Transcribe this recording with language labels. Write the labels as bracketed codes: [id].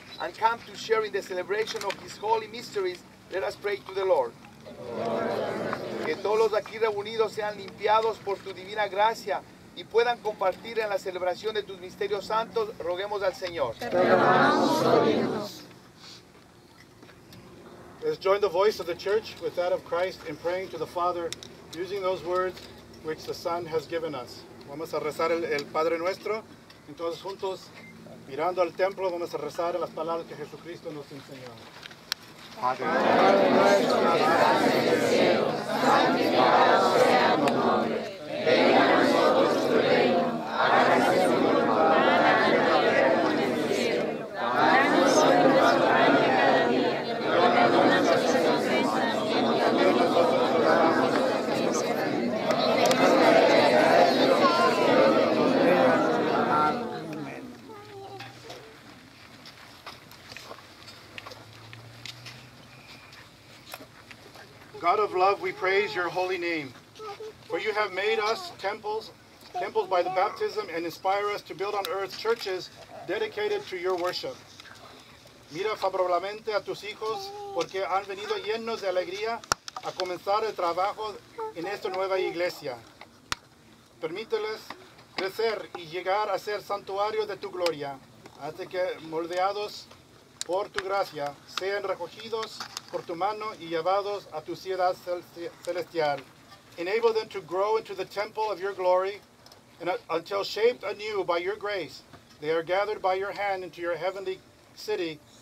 [en] and come to share in the celebration of his holy mysteries, let us pray to the Lord. [es] Que todos los aquí reunidos sean limpiados por tu divina gracia y puedan compartir en la celebración de tus misterios santos, roguemos al Señor. [en] Let's join the voice of the church with that of Christ in praying to the Father using those words which the Son has given us. [es] Vamos a rezar el Padre Nuestro. Entonces juntos, mirando al templo, vamos a rezar las palabras que Jesucristo nos enseñó. Padre nuestro que estás en el cielo, santificado sea tu nombre. Venga a nosotros tu reino, hágase tu voluntad en la tierra como en el cielo. Danos hoy nuestro pan de cada día. Y perdona nuestras ofensas, como también nosotros perdonamos a los que nos ofenden. Y déjanos caer en la tentación, pero no nos dejes caer en la tentación. [en] God of love, we praise your holy name. For you have made us temples by the baptism and inspire us to build on earth churches dedicated to your worship. [es] Mira favorablemente a tus hijos porque han venido llenos de alegría a comenzar el trabajo en esta nueva iglesia. Permíteles crecer y llegar a ser santuario de tu gloria, hasta que moldeados por tu gracia sean recogidos por tu mano y llevados a tu ciudad celestial. [en] Enable them to grow into the temple of your glory, and until shaped anew by your grace, they are gathered by your hand into your heavenly city.